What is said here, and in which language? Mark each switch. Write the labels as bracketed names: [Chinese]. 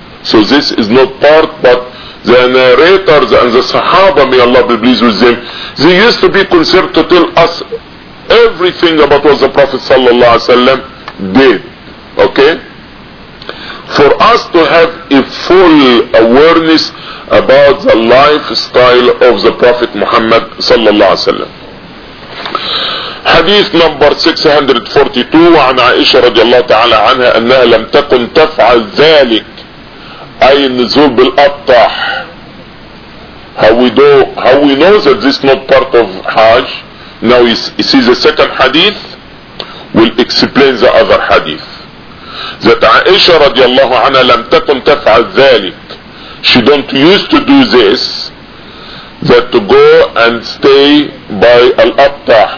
[English] So this is not part, but the narrators and the Sahaba, may Allah be pleased with them, they used to be concerned to tell us everything about what the Prophet sallallahu alaihi wasallam did. Okay? For us to have a full awareness about the lifestyle of the Prophet Muhammad sallallahu alaihi wasallam. Hadith number 642, [Arabic] عن عائشة رضي الله تعالى عنها أنها لم تكن تفعل ذلك, أي نزول بالأطاح. [English] How we know that this is not part of Hajj? Now you see the second hadith, we'll explain the other hadith. That [Arabic] عائشة رضي الله عنها لم تكن تفعل ذلك, [English] she don't used to do this, that to go and stay by Al-Attah.